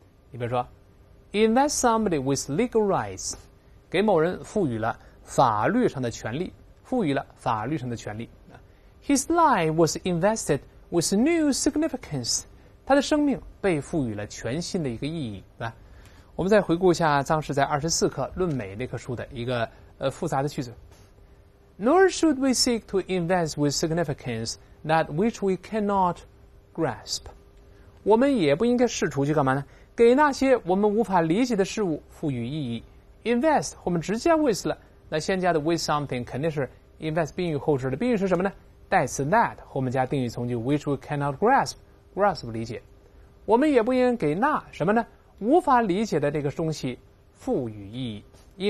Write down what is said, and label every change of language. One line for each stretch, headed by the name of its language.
Chinese: 你比如说
English: invest somebody with legal rights，
Chinese: 给某人赋予了法律上的权利，赋予了法律上的权利。
English: His life was invested with new significance，
Chinese: 他的生命被赋予了全新的一个意义。我们再回顾一下当时在24课论美那课书的一个复杂的句子。
English: Nor should we seek to invest with significance that which we cannot grasp，
Chinese: 我们也不应该试图去干嘛呢？给那些我们无法理解的事物赋予意义。 invest 我们直接 with 了，那先加的 with something 肯定是 invest 宾语后置的，宾语是什么呢？代词 that 后面加定语从句
English: which we cannot grasp
Chinese: 理解。我们也不应给那什么呢无法理解的这个东西赋予意义。